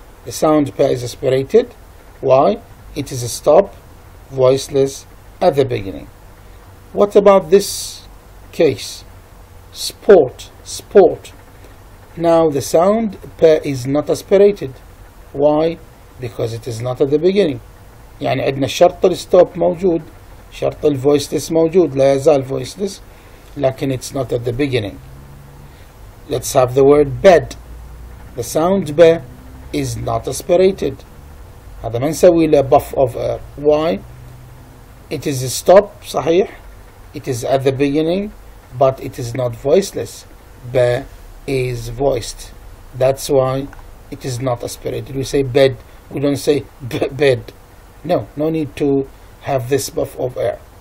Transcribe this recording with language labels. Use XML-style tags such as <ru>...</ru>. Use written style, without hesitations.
<en>The sound p is aspirated. Why? It is a stop, voiceless, at the beginning. What about this case? Sport, sport. Now the sound p is not aspirated. Why? Because it is not at the beginning.</en> <ar>يعني عندنا شرط الستوب موجود, شرط الفويسلس موجود, لا يزال voiceless, لكن</ar> <en>it's not at the beginning. Let's have the word bed. The sound b is not aspirated.</en> <ar>هذا ما نسوي له</ar> <en>buff of y. It is a stop, صحيح. It is at the beginning, but it is not voiceless. B is voiced. That's why it is not aspirated. We say bed. We don't say bed. No, no need to have this buff of air.</en>